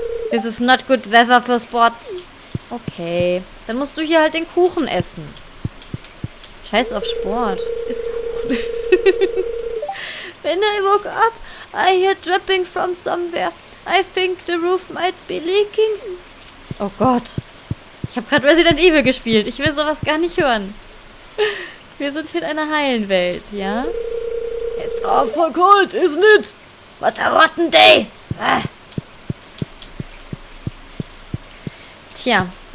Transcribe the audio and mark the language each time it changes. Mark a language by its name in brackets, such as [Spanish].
[English] This is not good weather for sports. [German] Okay, dann musst du hier halt den Kuchen essen. Scheiß auf Sport. Ist gut. [English] When I woke up, I hear dripping from somewhere. I think the roof might be leaking. [German] Oh Gott. Ich habe gerade Resident Evil gespielt. Ich will sowas gar nicht hören. Wir sind hier in einer heilen Welt, ja? [English] It's awful cold, isn't it? What a rotten day! [German] Tja.